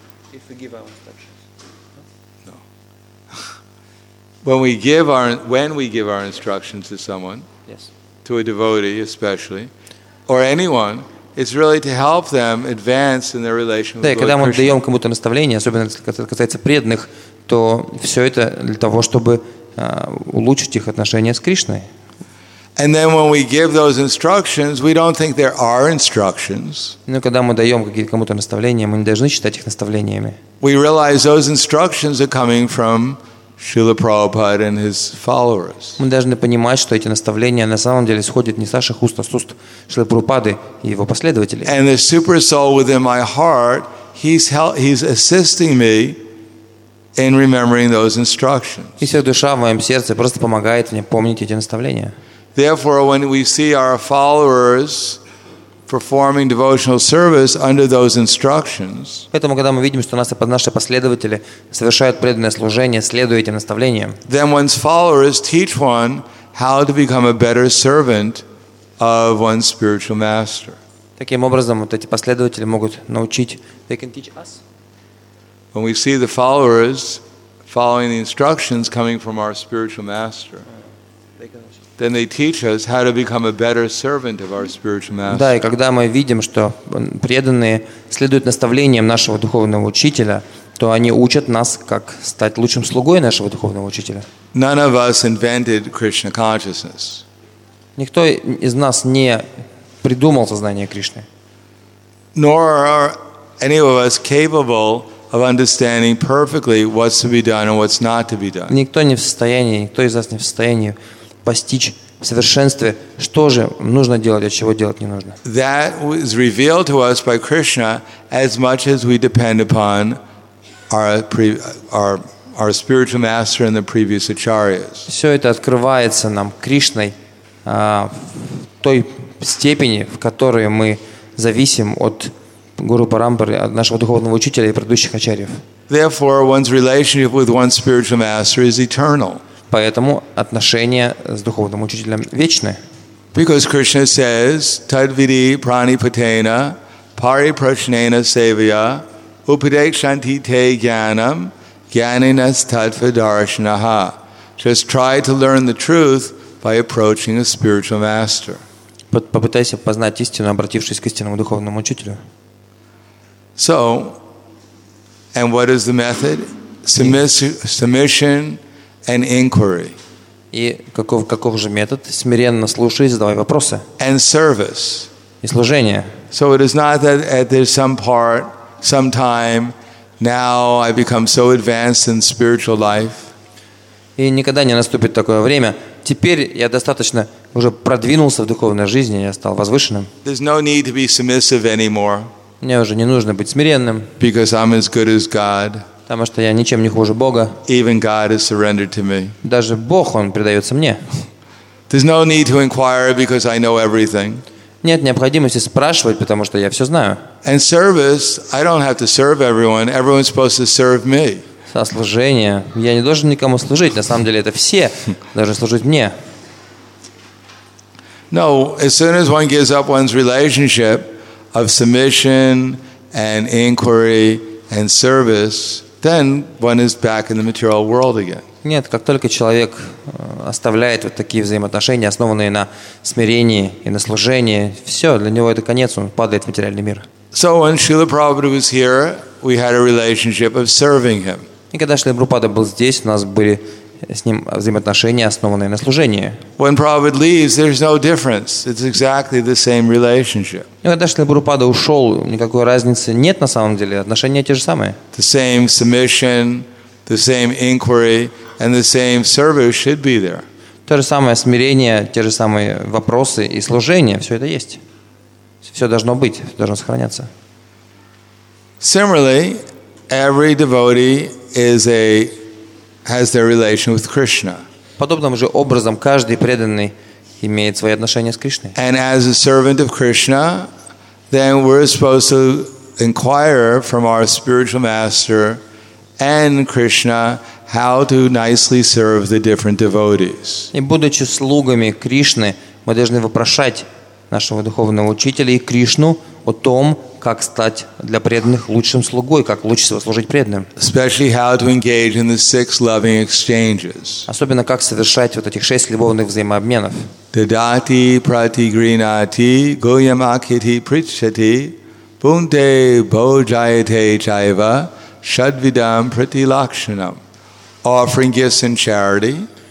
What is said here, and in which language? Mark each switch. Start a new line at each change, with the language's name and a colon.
English: If we give our instructions. No. When we give our instructions to someone, yes, to a devotee especially, or anyone. It's really to help them advance in their relationship with Krishna.
Russian: Да, когда мы даем кому-то наставление, особенно если это касается преданных, то все это для того, чтобы улучшить их отношения с Кришной.
English: And then when we give those instructions, we don't think they're our instructions.
Russian: Но когда мы даем кому-то наставление, мы не должны считать их наставлениями.
English: We realize those instructions are coming from Srila Prabhupada and his followers.
Russian: Мы должны понимать, что эти наставления на самом деле исходят не с наших уст, а с уст Шрилы Прабхупады и его последователей.
English: And the super soul within my heart, he's assisting me in remembering those instructions.
Russian: И вся душа в моем сердце просто помогает мне помнить эти наставления.
English: Therefore, when we see our followers performing devotional service under those instructions.
Russian: Поэтому, когда мы видим, что наши последователи совершают преданное служение, следуя этим наставлениям.
English: Then one's followers teach one how to become a better servant of one's spiritual master.
Russian: Таким образом, вот эти последователи могут научить.
English: They can teach us. When we see the followers following the instructions coming from our spiritual master. Then they teach us how to become a better servant of our spiritual master.
Russian: Да, и когда мы видим, что преданные следуют наставлениям нашего духовного учителя, то они учат нас, как стать лучшим слугой нашего духовного учителя.
English: None of us invented Krishna consciousness.
Russian: Никто из нас не придумал сознание Кришны.
English: Nor are any of us capable of understanding perfectly what's to be done and what's not to be done.
Russian: Никто не в состоянии, никто из нас не в состоянии постичь в совершенстве, что же нужно делать, а чего делать не нужно.
English: That is revealed to us by Krishna as much as we depend upon our spiritual master and the previous acharyas.
Russian: Все это открывается нам Кришной в той степени, в которой мы зависим от Гуру Парампары, от нашего духовного учителя и предыдущих ачарьев.
English: Therefore, one's relationship with one's spiritual master is eternal.
Russian: Поэтому отношения с духовным учителем вечны.
English: Because Krishna says,
Sanskrit: "Tad vidhi prani patena pari prashnena sevaya upadekshanti te jnanam jnaninas tadvidarshanaha."
English: Just try to learn the truth by approaching a spiritual master.
Russian: Попытайся познать истину, обратившись к истинному духовному учителю.
English: So, and what is the method? Submission and inquiry.
Russian: И каков же метод? Смиренно слушай, задавай вопросы.
English: And service.
Russian: И служение.
English: So it is not that there's some part, some time, now I become so advanced in spiritual life.
Russian: И никогда не наступит такое время. Теперь я достаточно уже продвинулся в духовной жизни, я стал возвышенным.
English: There's no need to be submissive anymore.
Russian: Мне уже не нужно быть смиренным.
English: Because I'm as good as God.
Russian: Потому что я ничем не хуже Бога.
English: Even God is surrendered to me.
Russian: Даже Бог, Он предается мне.
English: There's no need to inquire because I know everything.
Russian: Нет необходимости спрашивать, потому что я все знаю.
English: And service, I don't have to serve everyone. Everyone's supposed to serve me.
Russian: Сослужение. Я не должен никому служить. На самом деле это все должны служить мне.
English: No, as soon as one gives up one's relationship of submission and inquiry and service, then one is back in the material world again.
Russian: Нет, как только человек оставляет вот такие взаимоотношения, основанные на смирении и на служении, все, для него это конец, он падает в материальный мир.
English: So when Srila Prabhupada was here, we had a relationship of serving him.
Russian: И когда Шрила Прабхупада был здесь, у нас были с ним взаимоотношения, основанные на служении.
English: When Prabhupada leaves, there's no difference. It's exactly the same relationship.
Russian: Когда Шрила Прабхупада ушел, никакой разницы нет на самом деле. Отношения те же самые.
English: The same submission, the same inquiry, and the same service should be there.
Russian: То же самое смирение, те же самые вопросы и служение. Все это есть. Все должно быть, все должно сохраняться.
English: Similarly, every devotee is a has their relation with Krishna.
Russian: Подобным же образом каждый преданный имеет свои отношения с Кришной.
English: And as a servant of Krishna, then we're supposed to inquire from our spiritual master and Krishna how to nicely serve the different devotees.
Russian: И будучи слугами Кришны, мы должны вопрошать нашего духовного учителя и Кришну о том, как стать для преданных лучшим слугой, как лучше всего служить преданным.
English: Especially how to engage in the six loving exchanges.
Russian: Особенно как совершать вот этих шесть любовных взаимообменов.
Sanskrit: Дадати прати гринати гуйям акхити причати пунте боджайте чайва шадвидам прати лакшинам.
English: Offering gifts in charity.